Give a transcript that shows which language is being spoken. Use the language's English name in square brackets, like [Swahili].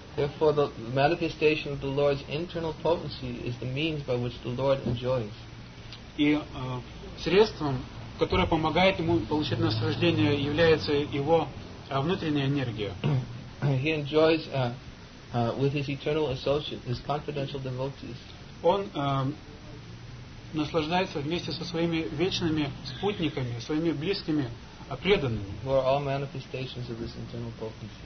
[English] Therefore, the manifestation of the Lord's internal potency is the means by which the Lord enjoys. [Russian] И средством, которое помогает ему получить наслаждение, является его внутренняя энергия. [English] He enjoys with his eternal associates, his confidential devotees. [Russian] Он наслаждается вместе со своими вечными спутниками, своими близкими. [English] Who are all manifestations of this internal potency?